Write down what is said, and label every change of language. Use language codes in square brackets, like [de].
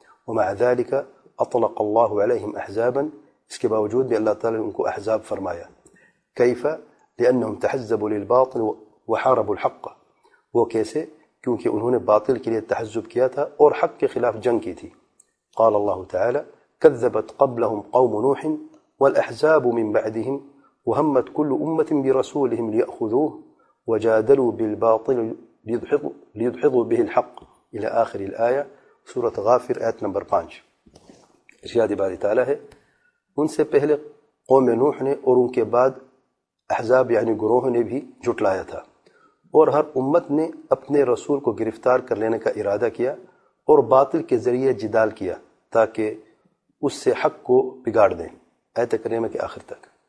[ar] ومع ذلك اطلق الله عليهم احزابا, [ur] اس کے باوجود بھی اللہ تعالی ان کو احزاب فرمایا. [ar] كيف؟ لانهم تحزبوا للباطل وحاربوا الحق, [ur] وہ کیسے؟ کیونکہ انہوں نے باطل کے لیے تحزب کیا تھا اور حق کے خلاف جنگ کی تھی. [ar] قال الله تعالى كذبت قبلهم قوم نوح والاحزاب من بعدهم وهمت كل أمة برسولهم ليأخذوه وجادلوا بالباطل ليدحضوا به الحق إلى آخر الآية سورة غافر [ur] آیت نمبر 5. ارشاد باری تعالیٰ ہے, ان سے پہلے قوم نوح نے اور ان کے بعد احزاب یعنی گروہ نے بھی جھٹلایا تھا, اور ہر امت نے اپنے رسول کو گرفتار کر لینے کا ارادہ کیا اور باطل کے ذریعے جدال کیا تاکہ اس سے حق کو بگاڑ دیں, آیت کریمہ کے آخر تک.